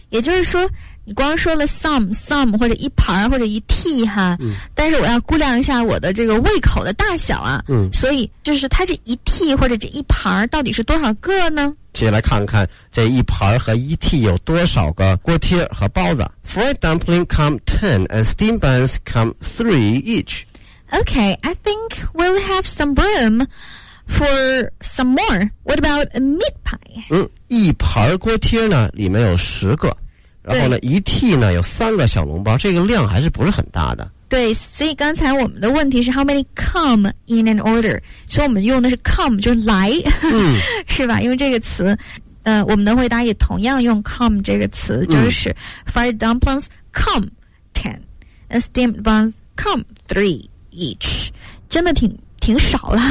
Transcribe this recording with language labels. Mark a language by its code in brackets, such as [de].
[zh] 也就是说你光说了 some 或者一盘或者一屉哈，嗯，但是我要估量一下我的这个胃口的大小啊。嗯，所以就是它这一屉或者这一盘到底是多少个呢？接下来看看这一盘和一屉有多少个锅贴和包子。 [en] Fried dumpling come 10 and steam buns come 3 each. Okay, I think we'll have some room for some more. What about a meat pie? [zh] 嗯，一盘锅贴呢里面有十个，然后呢一屉呢有三个小笼包，这个量还是不是很大的。对，所以刚才我们的问题是 [en] how many come in an order， [zh] 所以我们用的是 come 就是来，嗯，是吧，用这个词。我们的回答也同样用 come 这个词，就是，嗯， [en] fried dumplings come 10 and steamed buns come 3 each， [zh] 真的挺少了，